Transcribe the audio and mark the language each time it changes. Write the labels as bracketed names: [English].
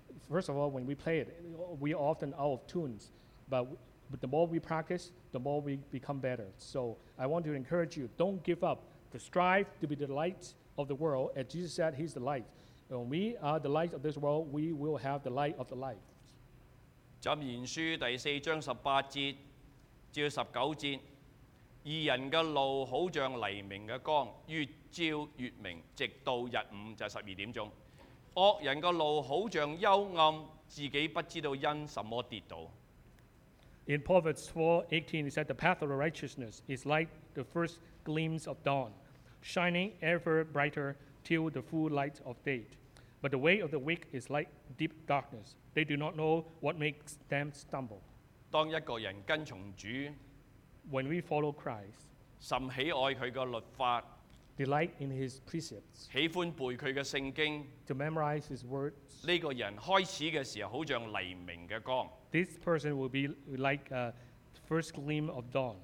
[English] First of all, when we play it, we are often out of tunes. But the more we practice, the more we become better. So I want to encourage you, don't give up. To strive to be the light of the world, as Jesus said, He's the light. When we are the light of this world, we will have the light of the life. [Chinese] 浸言书第四章十八节至十九节，二人的路好像黎明的光，越照越明，直到日午，就是十二点钟。恶人的路好像幽暗，自己不知道因什么跌倒。 [English] In Proverbs 4:18, it said, "The path of the righteousness is like the first gleams of dawn, shining ever brighter till the full light of day. But the way of the weak is like deep darkness. They do not know what makes them stumble." [Chinese] 当一个人跟从主 [English] When we follow Christ, [Chinese] 甚喜爱他的律法 [English] delight in his precepts, [Chinese] 喜欢背他的圣经 [English] to memorize his words, [Chinese] 这个人开始的时候好像黎明的光 [English] This person will be like a first gleam of dawn.